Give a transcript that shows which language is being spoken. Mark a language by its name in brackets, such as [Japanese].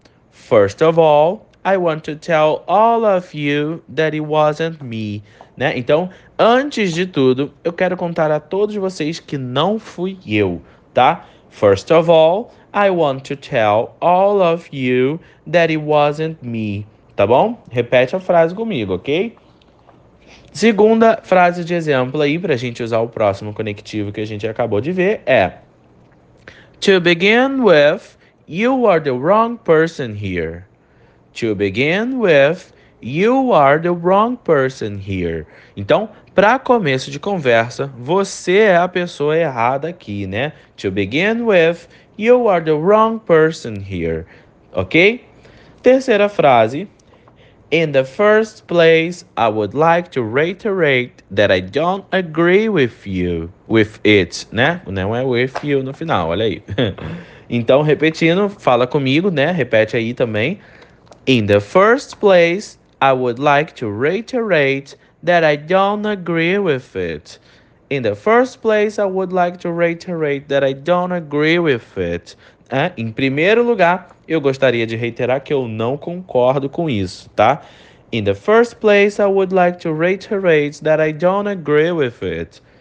[English] First of all, I want to tell all of you that it wasn't me. [Portuguese] Né? Então, antes de tudo, eu quero contar a todos vocês que não fui eu, tá? [English] First of all, I want to tell all of you that it wasn't me. [Portuguese] Tá bom? Repete a frase comigo, ok? Segunda frase de exemplo aí, pra gente usar o próximo conectivo que a gente acabou de ver, é: [English] To begin with, you are the wrong person here. To begin with, you are the wrong person here. [Portuguese] Então, para começo de conversa, você é a pessoa errada aqui, né? [English] To begin with, you are the wrong person here. Ok? [Portuguese] Terceira frase. [English] In the first place, I would like to reiterate that I don't agree with you. [Portuguese] With it, né? Não é with you no final, olha aí. Então, repetindo, fala comigo, né? Repete aí também. [English] In the first place, I would like to reiterate that I don't agree with it. In the first place, I would like to reiterate that I don't agree with it. [Portuguese] É? Em primeiro lugar, eu gostaria de reiterar que eu não concordo com isso, tá? [English] In the first place, I would like to reiterate that I don't agree with it.